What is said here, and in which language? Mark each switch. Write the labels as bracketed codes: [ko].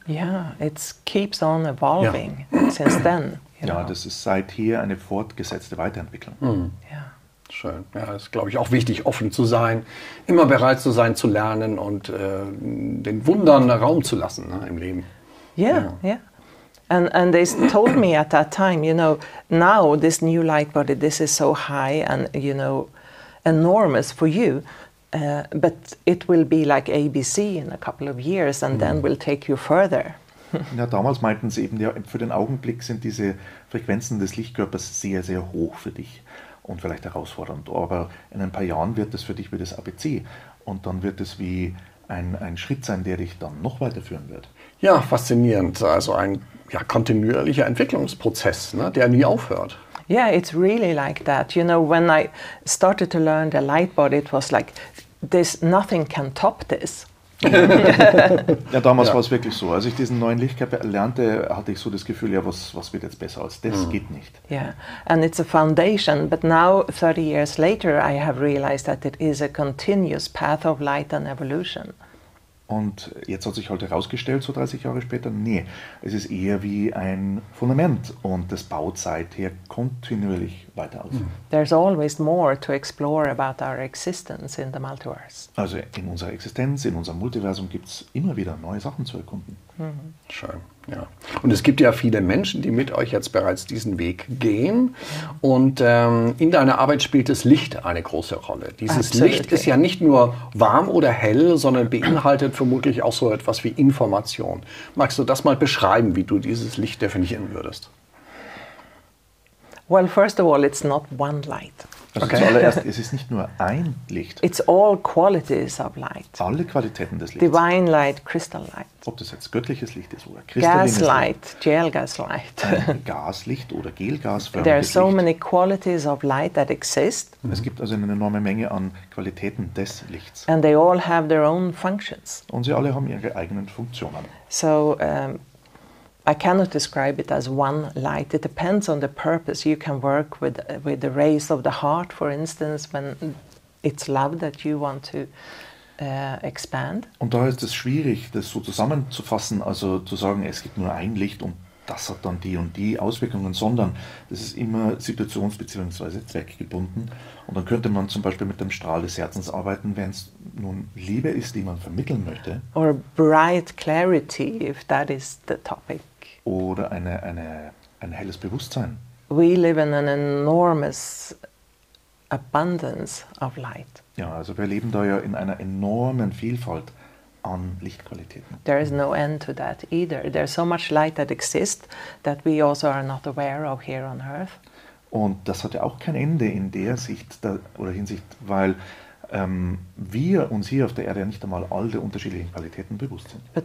[en] Ja, it keeps on evolving since then. [de] Ja, das ist seither eine fortgesetzte Weiterentwicklung. Mhm. Ja. Schön. Ja, das ist, glaube ich, auch wichtig, offen zu sein, immer bereit zu sein, zu lernen und den Wundern Raum zu lassen, ne, im Leben. [en] Yeah. And they told me at that time, you know, now this new light body, this is so high and, you know, enormous for you, but it will be like ABC in a couple of years and then will take you further. [de] Ja, damals meinten sie eben, ja, für den Augenblick sind diese Frequenzen des Lichtkörpers sehr, sehr hoch für dich und vielleicht herausfordernd, aber in ein paar Jahren wird es für dich wie das ABC und dann wird es wie ein Schritt sein, der dich dann noch weiterführen wird. Ja, faszinierend, also ein ja, kontinuierlicher Entwicklungsprozess, ne, der nie aufhört. [en] Yeah, it's really like that. You know, when I started to learn the light body, it was like, this, nothing can top this. [de] Ja, damals war es wirklich so. Als ich diesen neuen Lichtkörper lernte, hatte ich so das Gefühl, ja, was wird jetzt besser als das? Geht nicht. [en] Yeah, and it's a foundation. But now, 30 years later, I have realized that it is a continuous path of light and evolution. [de] Und jetzt hat sich halt herausgestellt, so 30 Jahre später, nee, es ist eher wie ein Fundament und das baut seither kontinuierlich weiter auf. [en] There's always more to explore about our existence in the multiverse. [de] Also in unserer Existenz, in unserem Multiversum gibt es immer wieder neue Sachen zu erkunden. Mhm. Schön, ja. Und es gibt ja viele Menschen, die mit euch jetzt bereits diesen Weg gehen. Und in deiner Arbeit spielt das Licht eine große Rolle. Dieses Licht ist ja nicht nur warm oder hell, sondern beinhaltet vermutlich auch so etwas wie Information. Magst du das mal beschreiben, wie du dieses Licht definieren würdest? [en] Well, first of all, it's not one light. [de] Also zuallererst, es ist nicht nur ein Licht. [en] It's all qualities of light. [de] Alle Qualitäten des Lichts. [en] Divine light, crystal light. [de] Ob das jetzt göttliches Licht ist oder kristallines Gas light, Licht. Gas light, gel gas light. Gaslicht oder gelgasförmiges [en] Licht. There are so many qualities of light that exist. [de] Es gibt also eine enorme Menge an Qualitäten des Lichts. [en] And they all have their own functions. [de] Und sie alle haben ihre eigenen Funktionen. [en] So, I cannot describe it as one light. It depends on the purpose. You can work with the rays of the heart, for instance, when it's love that you want to expand. [de] Und da ist es schwierig, das so zusammenzufassen, also zu sagen, es gibt nur ein Licht und das hat dann die und die Auswirkungen, sondern das ist immer situations- bzw. zweckgebunden. Und dann könnte man zum Beispiel mit dem Strahl des Herzens arbeiten, wenn es nun Liebe ist, die man vermitteln möchte. [en] Or bright clarity, if that is the topic. [de] Oder ein helles Bewusstsein. [en] We live in an enormous abundance of light. [de] Ja, also wir leben da ja in einer enormen Vielfalt an Lichtqualitäten. [en] There is no end to that either. There's so much light that exists that we also are not aware of here on Earth. [de] Und das hat ja auch kein Ende in der Sicht da, oder Hinsicht, weil wir uns hier auf der Erde ja nicht einmal all der unterschiedlichen Qualitäten bewusst sind.